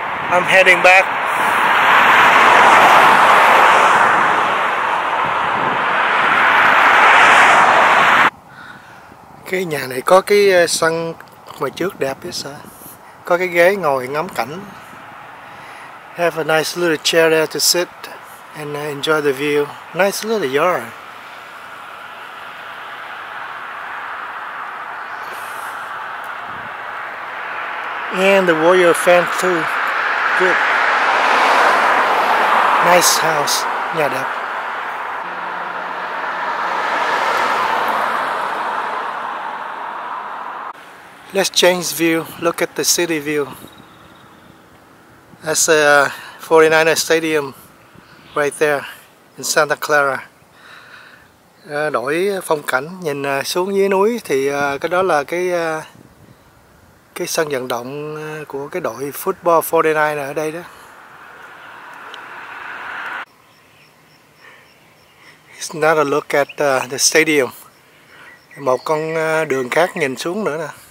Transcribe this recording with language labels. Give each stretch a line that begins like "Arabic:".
English: I'm heading back.
Vietnamese: Cái nhà này có cái sân ngoài trước đẹp biết sao. Có cái ghế ngồi ngắm cảnh.
English: Have a nice little chair there to sit and enjoy the view. Nice little yard. And the royal fence too. Good. Nice house.
Vietnamese: Nhà đẹp.
English: Let's change view. Look at the city view. That's a 49er stadium right there in Santa Clara.
Vietnamese: Đổi phong cảnh, nhìn xuống dưới núi thì cái đó là cái sân vận động của cái đội football 49er ở đây đó.
English: It's not a look at the stadium.
Vietnamese: Một con đường khác nhìn xuống nữa nè.